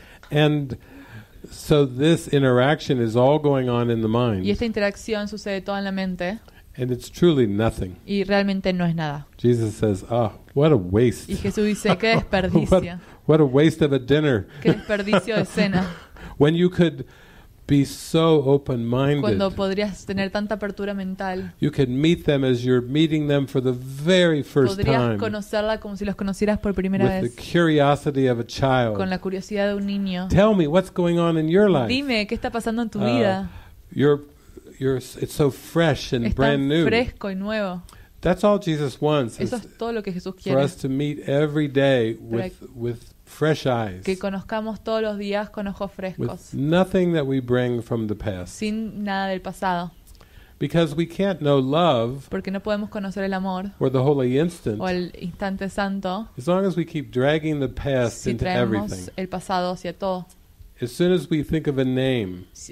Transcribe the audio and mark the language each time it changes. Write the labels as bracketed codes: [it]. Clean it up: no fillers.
[en] And so this interaction is all going on in the mind. [es] Y esta interacción sucede toda en la mente. [en] And it's truly nothing. [es] Y realmente no es nada. [en] Jesus says, "Oh, what a waste." [es] Y Jesús dice, qué desperdicio. [en] what a waste of a dinner. [es] Qué desperdicio de cena. [en] When you could be so open-minded. [es] Cuando podrías tener tanta apertura mental. [en] You could meet them as you're meeting them for the very first [es] podrías Podrías conocerla como si los conocieras por primera [en] with [es] vez. [en] The curiosity of a child. [es] Con la curiosidad de un niño. [en] Tell me what's going on in your life. [es] Dime qué está pasando en tu vida. [en] It's so fresh and brand new. [es] Está fresco y nuevo. [en] That's all Jesus wants. [es] Eso es todo lo que Jesús quiere. [en] For us to meet every day with fresh eyes. [es] Que conozcamos todos los días con ojos frescos. [en] With nothing that we bring from the past. [es] Sin nada del pasado. [en] Because we can't know love. [es] Porque no podemos conocer el amor. [en] Or the holy instant. [es] O el instante santo. [en] As long as we keep dragging the past into everything. [es] Si traemos el pasado hacia todo. [en] As soon as we think of a name,